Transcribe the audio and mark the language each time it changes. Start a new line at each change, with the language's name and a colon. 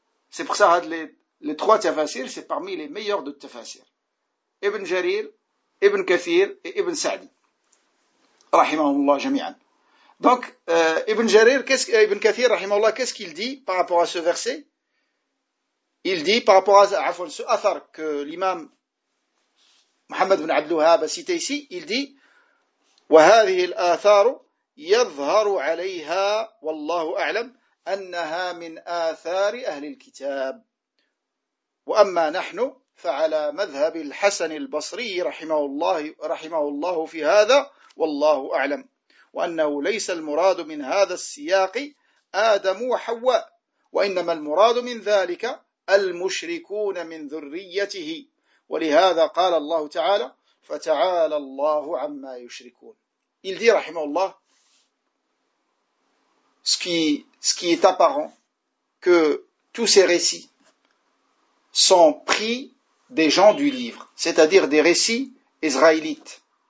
French: C'est pour ça que les trois tafasirs, c'est parmi les meilleurs de tafasirs. Ibn Jarir, Ibn Kathir et Ibn Sa'di. Rahimahullah, jami'an. Donc, Ibn Kathir, rahimahullah, qu'est-ce qu'il dit par rapport à ce verset? Il dit par rapport à ce athar que l'imam Muhammad ibn Abdelwahab a cité ici, il dit
Arabic: وهذه الآثار يظهر عليها والله أعلم أنها من آثار أهل الكتاب وأما نحن فعلى مذهب الحسن البصري رحمه الله في هذا والله أعلم وأنه ليس المراد من هذا السياق آدم وحواء وإنما المراد من ذلك المشركون من ذريته ولهذا قال الله تعالى فتعالى الله عما يشركون.
French: Il dit, rahimahullah, ce qui est apparent, que tous ces récits sont pris des gens du livre, c'est-à-dire des récits israélites.